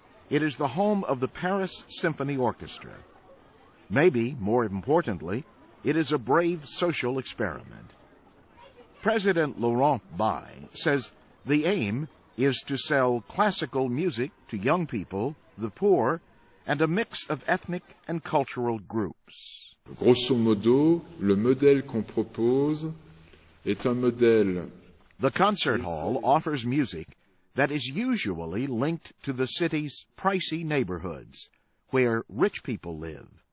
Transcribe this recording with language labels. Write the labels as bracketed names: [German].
[English] It is the home of the Paris Symphony Orchestra. Maybe, more importantly, it is a brave social experiment. President Laurent Baye says the aim is to sell classical music to young people, the poor, and a mix of ethnic and cultural groups. [French] Grosso modo, le modèle qu'on propose est un modèle. [English] The concert hall offers music that is usually linked to the city's pricey neighborhoods, where rich people live.